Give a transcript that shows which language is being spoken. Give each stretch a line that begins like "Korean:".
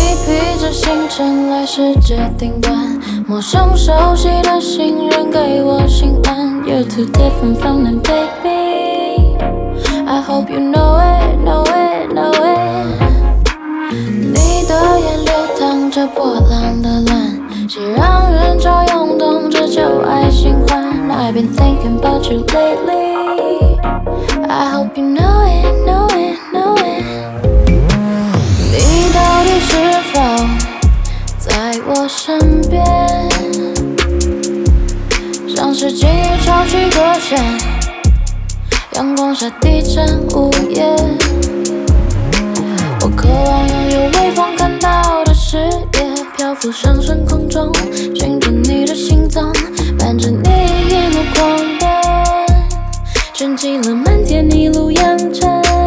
Chinese: 披着星辰来世界顶端，陌生熟悉的信任给我心安。
English: You're too different from them baby， I hope you know it， know it， know it。
Chinese: 你的眼流淌着波浪的乱，谁让人潮涌动着旧爱新欢。
English: I've been thinking about you lately， I hope you know it， know it， know it。
Chinese: 到底是否在我身边，像是记忆潮起搁浅，阳光下低沉午夜。我渴望拥有微风看到的视野，漂浮上升空中，循着你的心脏，伴着你一路狂奔，卷起了漫天一路扬尘。